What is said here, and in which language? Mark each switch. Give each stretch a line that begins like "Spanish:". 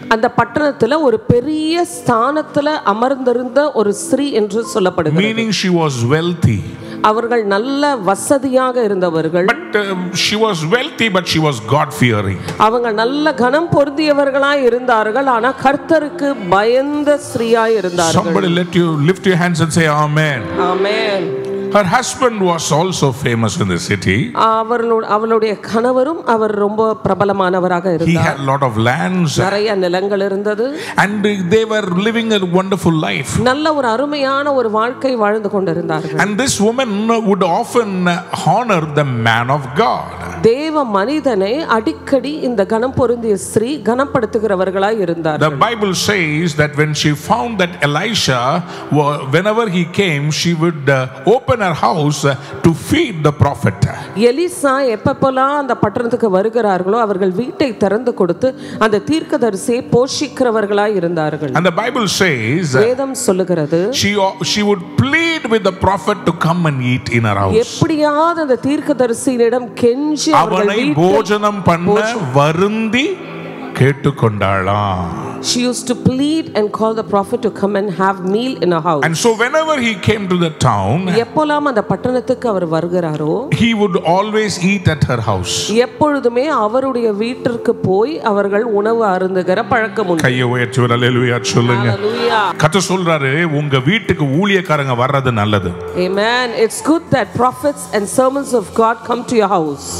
Tamil: அந்த பட்டணத்துல ஒரு பெரிய ஸ்தானத்துல அமர்ந்திருந்த ஒரு ஸ்திரீ என்று சொல்லப்படுகிறது.
English: Meaning she was wealthy.
Tamil: அவர்கள் நல்ல வசதியாக இருந்தவர்கள்.
English: But she was wealthy but she was God fearing.
Tamil: அவங்க நல்ல கணம் பொருந்தியவர்களாய் இருந்தார்கள் ஆனா கர்த்தருக்கு பயந்த ஸ்திரீயாய் இருந்தார்கள்.
English: Somebody let you lift your hands and say amen. Amen. Her husband was also famous in the city.
Tamil: அவளுடைய கணவரும் அவர் ரொம்ப பிரபலமானவராக இருந்தார்.
English: He had lot of lands.
Tamil: நிறைய நிலங்கள் இருந்தது.
English: And they were living a wonderful life.
Tamil: நல்ல ஒரு அருமையான ஒரு வாழ்க்கை வாழ்ந்து கொண்டிருந்தார்கள்.
English: And this woman would often honor the man of God.
Tamil: தேவ மனிதனை அடிக்கடி இந்த கணம் பொருந்திய ஸ்திரீ கணப்படுத்துகிறவர்களாய் இருந்தார்.
English: The Bible says that when she found that Elisha, whenever he came, she would open her house to feed the prophet.
Tamil: Elisha எப்பப்பெல்லாம் அந்த பட்டணத்துக்கு வருகிறார்களோ அவர்கள் வீட்டை திறந்து கொடுத்து அந்த தீர்க்கதரிசியை போஷிக்கிறவர்களாய் இருந்தார்கள்.
English: And the Bible says,
Tamil: வேதம் சொல்கிறது,
English: she would plead with the prophet to come and eat in her house.
Tamil: எப்படியாவது அந்த தீர்க்கதரிசியிடம் கெஞ்சி அவனை போஜனம் பண்ண வருந்தி கேட்டுக்கொண்டாளாம்.
English: She used to plead and call the prophet to come and have meal in her house. And so whenever he came to the town,
Tamil: எப்பலாம் அந்த பட்டணத்துக்கு அவர் வருகிறாரோ,
English: he would always eat at her house.
Tamil: எப்பொழுதுமே அவருடைய வீட்டிற்கு போய் அவர்கள் உணவு அருந்துகிற பழக்கம் உண்டு. கையை உயர்த்தி ஹல்லேலூயா சொல்லுங்க. ஹல்லேலூயா. கர்த்தர் சொல்றாரு, உங்க வீட்டுக்கு ஊழியக்காரங்க வர்றது நல்லது.
English: Amen. It's good that prophets and servants of God come to your house.